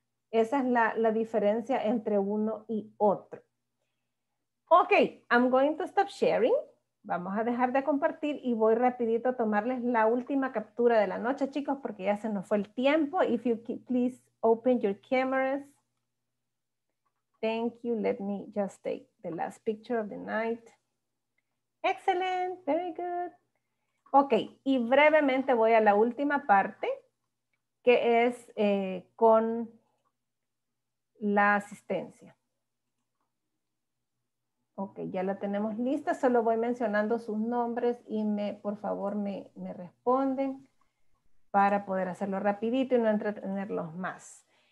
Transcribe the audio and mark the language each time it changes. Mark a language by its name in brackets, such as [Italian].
[Spanish] Esa es la diferencia entre uno y otro. [English] Ok, I'm going to stop sharing. [Spanish] Vamos a dejar de compartir y voy rapidito a tomarles la última captura de la noche, chicos, porque ya se nos fue el tiempo. [English] If you could please open your cameras. Thank you. Let me just take the last picture of the night. Excellent. Very good. [Spanish] Ok, y brevemente voy a la última parte, que es con la asistencia. Ok, ya la tenemos lista, solo voy mencionando sus nombres y por favor me responden para poder hacerlo rapidito y no entretenerlos más.